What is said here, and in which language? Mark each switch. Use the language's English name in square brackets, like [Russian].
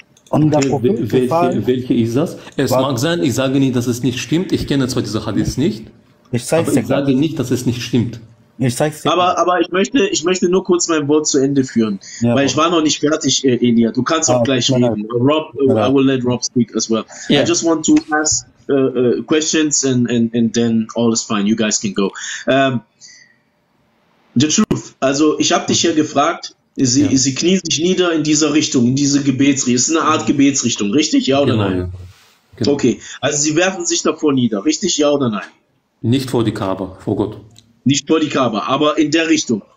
[German] Und der welche ist das? Es mag sein, ich sage nicht, dass es nicht stimmt. Ich kenne zwar diese Hadith nicht, aber ich sage nicht, dass es nicht stimmt. Ich zeige es dir. Aber ich möchte nur kurz mein Wort zu Ende führen, weil ich war noch nicht fertig, Elia. Du kannst auch gleich reden. [English] Rob, I will let Rob speak as well. Yeah. I just want to ask questions and then all is fine. You guys can go. The truth. [German] Also ich habe dich hier gefragt, Sie knien sich nieder in dieser Richtung, in diese Gebetsrichtung. Es ist eine Art Gebetsrichtung, richtig? Ja oder nein? Genau. Okay, also Sie werfen sich davor nieder, richtig? Ja oder nein? Nicht vor die Kaaba, vor Gott. Nicht vor die Kaaba, aber in der Richtung.